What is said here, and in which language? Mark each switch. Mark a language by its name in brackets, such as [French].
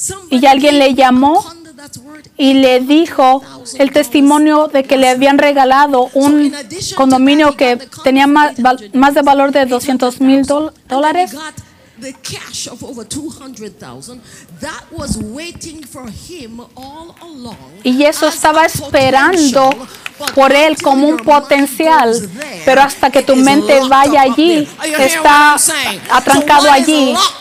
[Spanish] Y alguien le llamó y le dijo el testimonio de que le habían regalado un condominio que tenía más de valor de $200,000. [English] The cash of over $200,000 that was waiting for him all along. [Spanish] Y eso estaba esperando por él como un potencial, pero hasta que tu mente vaya allí, está atrancado allí.